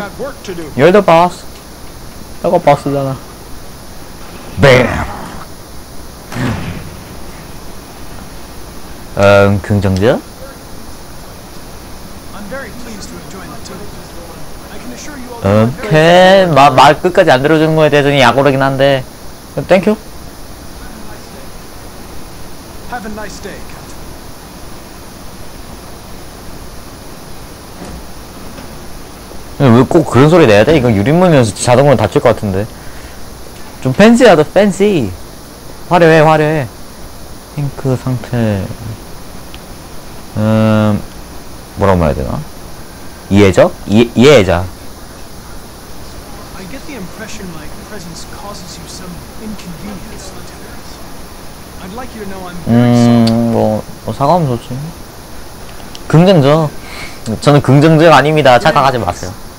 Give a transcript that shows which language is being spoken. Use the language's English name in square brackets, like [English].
[English] I've got work to do. You're the boss. [Korean] 내가 boss잖아. [English] Bam. [Korean] 긍정적? [English] I'm very pleased to have joined the team. I can assure you all. Okay. [Korean] 말 끝까지 안 들어주는 거에 대해서는 약오르긴 한데. [English] Thank you. Have a nice day. [Korean] 왜 꼭 그런 소리 내야 돼? 이거 유리문이어서 자동으로 닫힐 것 같은데. 좀 팬시하다, 팬시. 화려해, 화려해. 탱크 상태, 뭐라고 말해야 되나? 이해적? 이해자. [English] I get the impression my presence causes you some inconvenience, Lieutenant. I'd like you to know I'm very sorry. [Korean] 뭐 사과하면 좋지. 긍정적. 저는 긍정적 아닙니다. 착각하지 마세요.